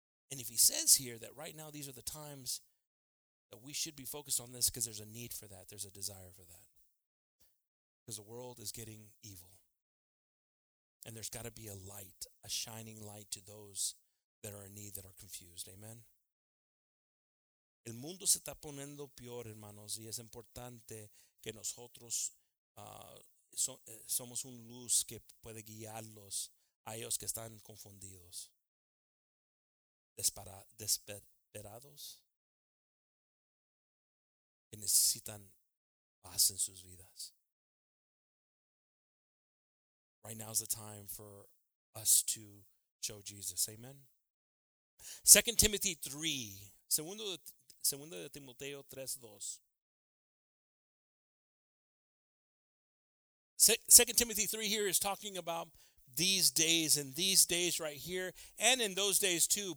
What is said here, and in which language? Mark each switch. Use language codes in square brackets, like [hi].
[en] And if He says here that right now these are the times that we should be focused on this because there's a need for that, there's a desire for that. Because the world is getting evil. And there's got to be a light, a shining light to those that are in need, that are confused. Amen. [es] El mundo se está poniendo peor, hermanos, y es importante que nosotros somos un luz que puede guiarlos a ellos que están confundidos, desesperados, que necesitan paz en sus vidas. [en] Right now is the time for us to show Jesus. Amen. 2 Timothy 3. [es] Segundo de Timoteo 3:2. [en] 2 Timothy 3 here is talking about these days and these days right here and in those days too.